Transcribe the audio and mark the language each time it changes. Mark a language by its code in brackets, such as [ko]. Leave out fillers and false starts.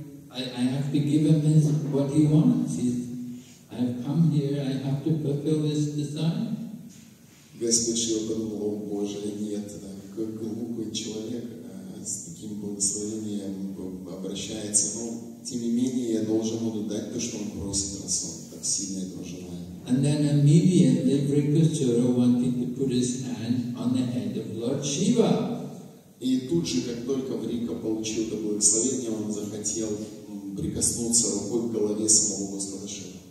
[en] But I have to give him what he wants. I have come here to fulfill this desire. [ru] Господь Шива подумал, о Боже, нет, как глупый человек с таким благословением обращается, но тем не менее я должен буду дать то, что он просит, раз он так сильно этого желает. [en] And then immediately Vrikasura wanted to put his hand on the head of Lord Shiva. [ru] И тут же, как только Врика получил это благословение, он захотел прикоснуться рукой к голове самого Господа Шивы.